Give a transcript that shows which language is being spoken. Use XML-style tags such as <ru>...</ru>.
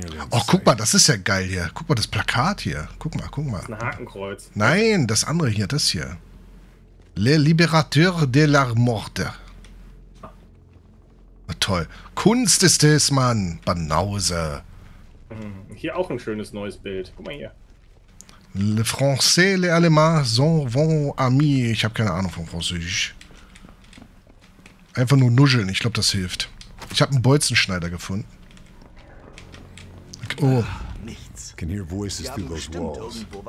<de>Oh, guck mal, das ist ja geil hier. Guck mal, das Plakat hier. Guck mal, guck mal. Ein Hakenkreuz. Nein, das andere hier, das hier.</de> <fr>Le Libérateur de la Morte.</fr> <de>Na, toll. Kunst ist es, Mann. Banause. Hier auch ein schönes neues Bild. Guck mal hier.</de> <fr>Le Français, les Allemands sont vos amis.</fr> <de>Ich habe keine Ahnung von Französisch. Einfach nur nuscheln. Ich glaube, das hilft. Ich habe einen Bolzenschneider gefunden. Oh.</de> <en>Can hear voices through those walls.</en>